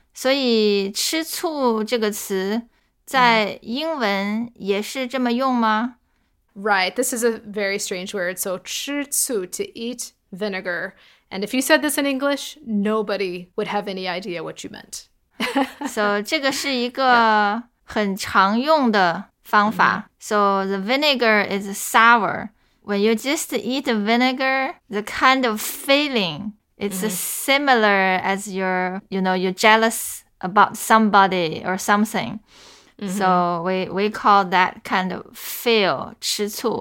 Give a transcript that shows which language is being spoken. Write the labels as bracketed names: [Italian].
[Chinese] 所以吃醋这个词在英文也是这么用吗? [English] Right, this is a very strange word. So 吃醋, to eat vinegar. And if you said this in English, nobody would have any idea what you meant. [Chinese] So 这个是一个很常用的 方法. [English] Mm-hmm. So the vinegar is sour. When you just eat the vinegar, the kind of feeling, it's mm-hmm. similar as you're jealous about somebody or something. Mm-hmm. So we call that kind of feel, 吃醋.